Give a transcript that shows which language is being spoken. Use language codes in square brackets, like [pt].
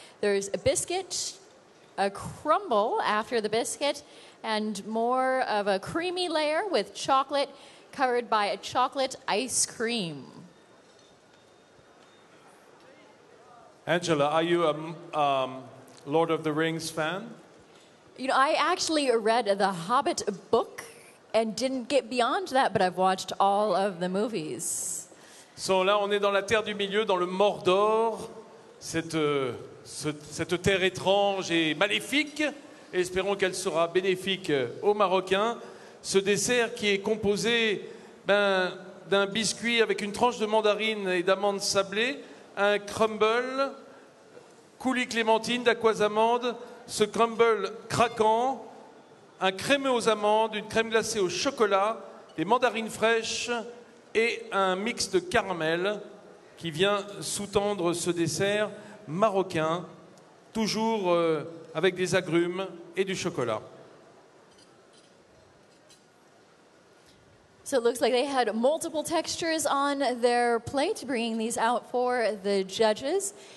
[en] There's a biscuit, a crumble after the biscuit, and more of a creamy layer with chocolate covered by a chocolate ice cream. Angela, are you a Lord of the Rings fan? You know, I actually read the Hobbit book and didn't get beyond that, but I've watched all of the movies. [fr] So là, on est dans la terre du milieu, dans le Mordor, cette terre étrange et maléfique. Espérons qu'elle sera bénéfique aux Marocains. Ce dessert qui est composé d'un biscuit avec une tranche de mandarine et d'amandes sablées, un crumble, coulis clémentine d'aquas amandes, ce crumble craquant, un crémeux aux amandes, une crème glacée au chocolat, des mandarines fraîches et un mix de caramel qui vient sous-tendre ce dessert marocain, toujours avec des agrumes et du chocolat. [en] So it looks like they had multiple textures on their plate, bringing these out for the judges.